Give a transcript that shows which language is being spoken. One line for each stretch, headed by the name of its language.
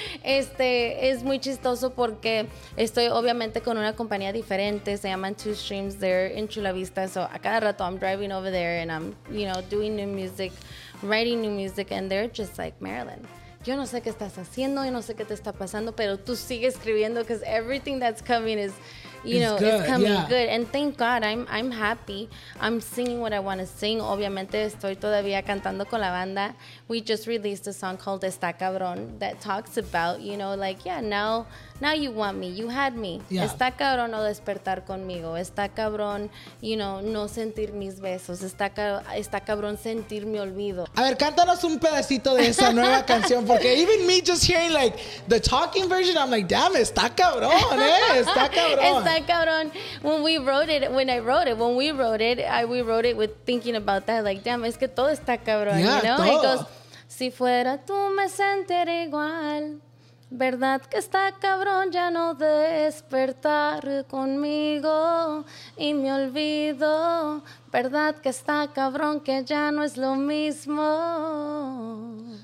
Spanish: Es muy chistoso porque estoy obviamente con una compañía diferente. Se llaman Two Streams.
English: They're in Chula Vista. So
Spanish: a cada rato
English: I'm driving over there and I'm, you know, doing new music, writing new music. And they're just like,
Spanish: Marilyn, yo no sé qué estás haciendo, yo no sé qué te está pasando, pero tú sigue escribiendo
English: because everything that's coming is... It's coming good. And thank God, I'm happy. I'm singing what I want to sing.
Spanish: Obviamente, estoy todavía cantando con la banda.
English: We just released a song called Está Cabrón that talks about, you know, like, yeah, now you want me. You had me. Yeah.
Spanish: Está cabrón no despertar conmigo. Está cabrón,
English: you know,
Spanish: no sentir mis besos. Está cabrón sentir mi olvido. A ver, cántanos un pedacito de esa nueva canción.
English: Porque even me just hearing, like, the talking version, I'm like, damn,
Spanish: está cabrón, Está cabrón. Está cabrón.
English: When we wrote it with thinking about that, like, damn,
Spanish: es que todo está cabrón,
English: yeah, you know?
Spanish: Todo.
English: It goes,
Spanish: si fuera tú me sentiré igual. Verdad que está cabrón ya no despertar conmigo y me olvido. Verdad que está cabrón que ya no es lo mismo.